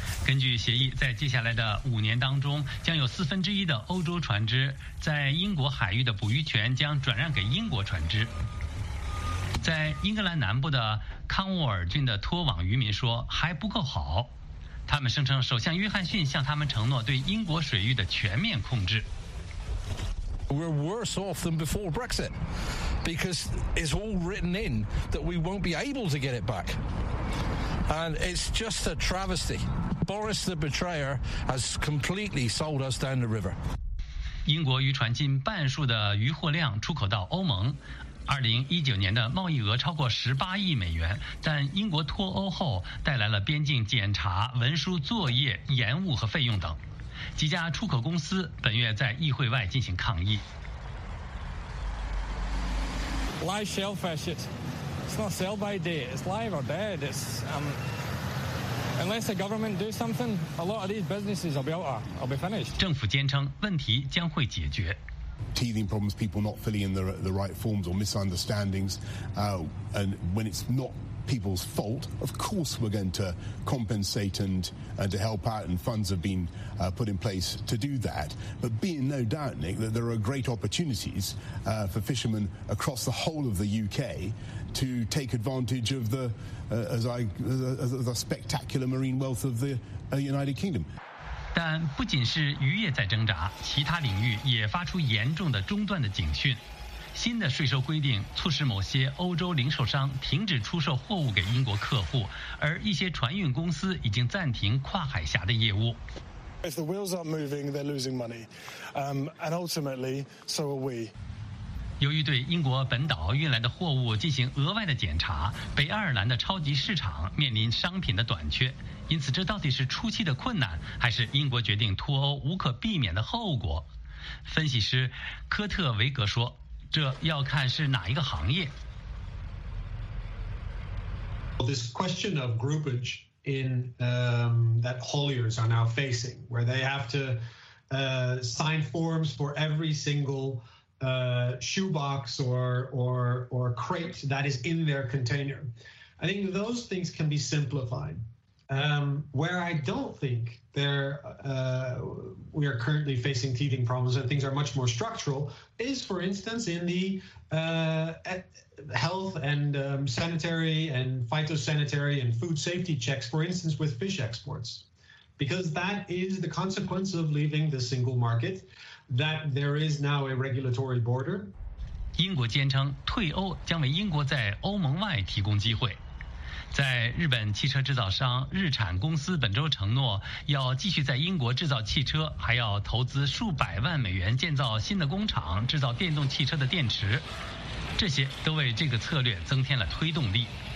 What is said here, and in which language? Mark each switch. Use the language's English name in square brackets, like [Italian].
[Chinese] 根据协议，在接下来的五年当中，将有四分之一的欧洲船只在英国海域的捕鱼权将转让给英国船只。在英格兰南部的康沃尔郡的脱网渔民说，还不够好。他们声称首相约翰逊向他们承诺对英国水域的全面控制。 [English] We're worse off than before Brexit because it's all written in that we won't be able to get it back. And it's just a travesty. Boris the betrayer has completely sold us down the river. [Chinese] 英国渔船近半数的渔获量出口到欧盟。 2019年的贸易额超过18亿美元，但英国脱欧后带来了边境检查、文书作业延误和费用等。几家出口公司本月在议会外进行抗议。 [English] Live shellfish, it's not sell by date, it's live or dead. It's, unless the government do something, a lot of these businesses will be finished. [Chinese] 政府坚称问题将会解决。 [English] Teething problems, people not filling in the right forms or misunderstandings, and when it's not people's fault, of course we're going to compensate and to help out, and funds have been put in place to do that. But be in no doubt, Nick, that there are great opportunities for fishermen across the whole of the UK to take advantage of the spectacular marine wealth of the United Kingdom. [Chinese] 但不仅是渔业在挣扎，其他领域也发出严重的中断的警讯。新的税收规定促使某些欧洲零售商停止出售货物给英国客户，而一些船运公司已经暂停跨海峡的业务。 [English] If the wheels aren't moving, they're losing money, and ultimately, so are we. [Chinese] 由于对英国本岛运来的货物进行额外的检查，北爱尔兰的超级市场面临商品的短缺。因此，这到底是初期的困难，还是英国决定脱欧无可避免的后果？分析师科特维格说，这要看是哪一个行业。 [English] This question of groupage in that hauliers are now facing, where they have to sign forms for every single shoebox or crate that is in their container. I think those things can be simplified. Where I don't think we are currently facing teething problems and things are much more structural is, for instance, in the health and sanitary and phytosanitary and food safety checks, for instance, with fish exports. Because that is the consequence of leaving the single market, that there is now a regulatory border. [Chinese] 英国坚称退欧将为英国在欧盟外提供机会。在日本汽车制造商日产公司本周承诺要继续在英国制造汽车，还要投资数百万美元建造新的工厂，制造电动汽车的电池，这些都为这个策略增添了推动力。